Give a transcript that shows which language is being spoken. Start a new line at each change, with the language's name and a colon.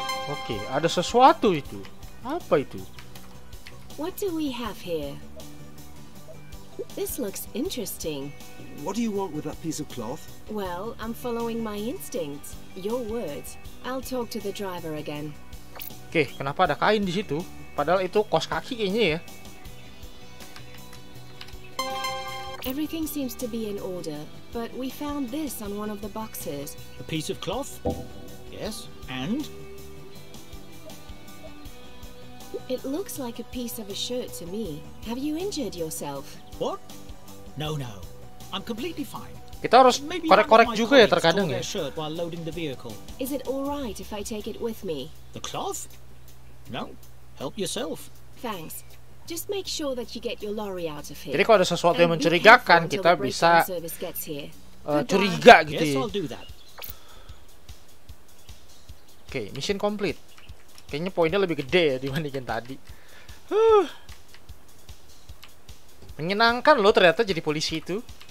Indonesian: Oke, okay, ada sesuatu itu. Apa itu?
English: What do we have here? This looks interesting. What do you want with that piece of cloth? Well, I'm following my instincts. Your words. I'll talk to the driver again.
Indonesian: Oke, kenapa ada kain di situ? Padahal itu kos kaki kayaknya ya.
English: Everything seems to be in order, but we found this on one of the boxes. A piece of cloth? Yes, and? It looks like a piece of a shirt to me. Have you injured yourself? What? No, no. I'm completely fine.
Indonesian: Kita harus korek-korek juga ya terkadang ya.
English: Shirt while loading the vehicle. Is it all right if I take it with me? The cloth? No. Help yourself. Thanks. Just make sure that you get your lorry out of here.
Indonesian: Jadi kalau ada sesuatu yang mencurigakan, kita bisa curiga gitu.
English: Yes, I'll do that.
Indonesian: Oke,
English: mission complete.
Indonesian: Kayaknya poinnya lebih gede ya dibandingin tadi. Menyenangkan loh ternyata jadi polisi itu.